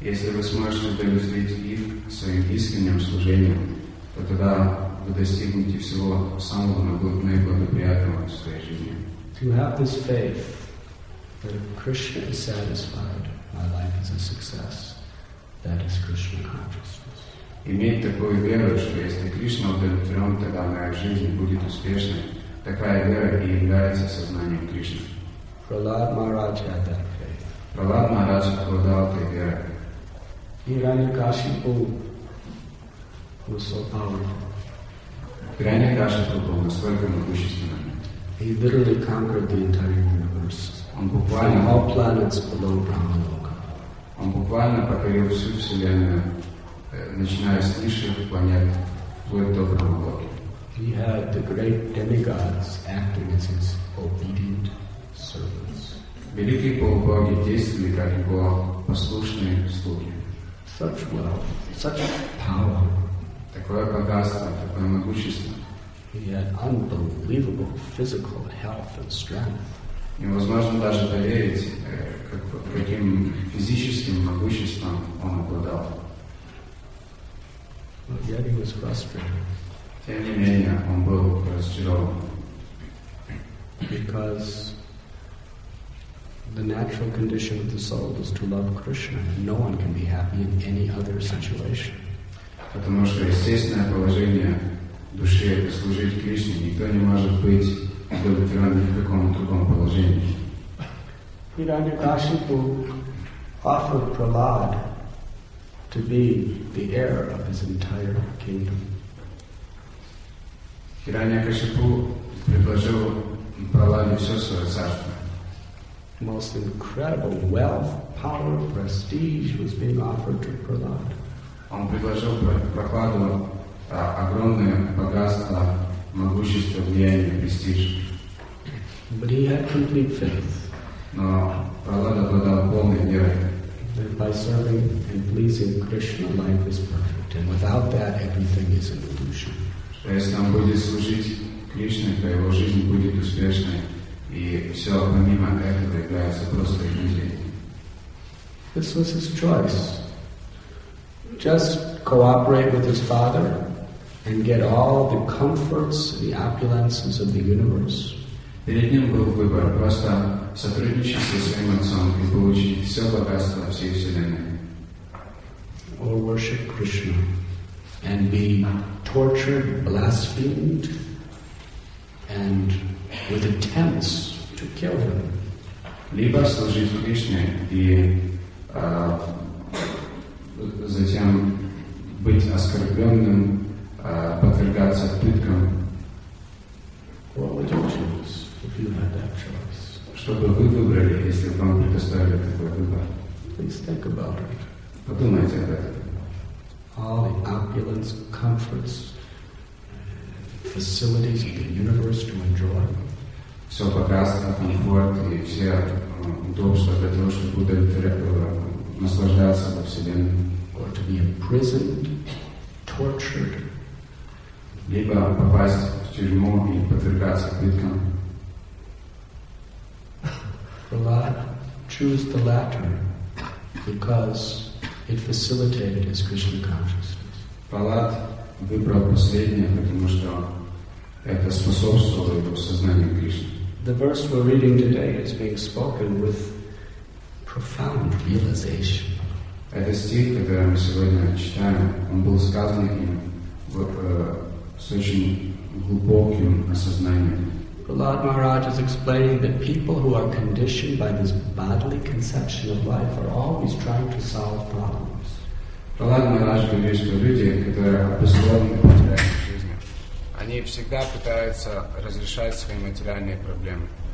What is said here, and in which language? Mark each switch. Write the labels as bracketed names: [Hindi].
[Russian] Если вы сможете удовлетворить их своим искренним служением, то то тогда вы достигнете всего самого наиблагоприятного в своей жизни. [English] To have this faith that if Krishna is satisfied, my life is a success. That is Krishna consciousness. [Russian] Иметь такую веру, что если Кришна удовлетворен, тогда моя жизнь будет успешной. Такая вера и является сознанием Кришны. [English] Prahlad Maharaj had that faith. [Russian] Prahlad Maharaj обладал этой верой. [English] Hiranyakashipu was so powerful. [Russian] Hiranyakashipu был настолько могущественным. [English] He literally conquered the entire universe. [Russian] Он буквально [English] from all planets below Brahmaloka. [Russian] Он буквально покорил всю вселенную, начиная с низших планет вплоть до Брахмалоки. [English] He had the great demigods acting as his obedient servants. [Russian] Великие полубоги действовали как его послушные слуги. [English] Such wealth, such power. [Russian] Такое богатство, такое могущество. [English] He had unbelievable physical health and strength. [Russian] Невозможно даже поверить, каким физическим могуществом он обладал. [English] But yet he was frustrated. [Russian] Тем не менее, он был разочарован. [English] Because the natural condition of the soul is to love Krishna. No one can be happy in any other situation. [Russian] Потому что естественное положение души – это служить Кришне. Никто не может быть удовлетворенным в каком-то другом положении. [English] Hiranyakashipu offered Prahlad to be the heir of his entire kingdom. [Russian] Hiranyakashipu предложил Прахладе все свое царство. [English] Most incredible wealth, power, prestige was being offered to Prahlad. [Russian] Он предложил Прахладу огромное богатство, могущество, влияние, престиж. [English] But he had complete faith. [Russian] Но Прахлад обладал полной верой. [English] That by serving and pleasing Krishna, life is perfect. And without that, everything is an illusion. [Russian] Что если он будет служить Кришне, то его жизнь будет успешной. И все помимо этого является просто иллюзией. [English] This was his choice. Just cooperate with his father and get all the comforts, the opulences of the universe. [Russian] Перед ним был выбор просто сотрудничать со своим отцом и получить все богатство всей вселенной. [English] Or worship Krishna and be tortured, blasphemed, and with attempts to kill him. [Russian] Либо служить Кришне и затем быть оскорбленным, подвергаться пыткам. [English] What would you choose if you had that choice? [Russian] Что бы вы выбрали, если бы вам предоставили такой выбор? [English] Please think about it. [Russian] Подумайте об этом. [English] All the opulence, comforts, facilities of the universe to enjoy. [Russian] Все богатство, комфорт и все удобства для того, чтобы наслаждаться во Вселенной. [English] Or to be imprisoned, tortured. [Russian] Либо попасть в тюрьму и подвергаться пыткам. [English] Prahlad chose the latter because it facilitated his Krishna consciousness. [Russian] Prahlad выбрал последнее, потому что это способствовало его сознанию Кришны. [English] The verse we're reading today is being spoken with profound realization. [Russian] Этот стих, который мы сегодня читаем, он был сказан им с очень глубоким осознанием. [English] Prahlad Maharaj is explaining that people who are conditioned by this bodily conception of life are always trying to solve problems. [Russian] Prahlad Maharaj говорит, что люди, которые обусловлены материальной жизнью, они всегда пытаются разрешать свои материальные проблемы.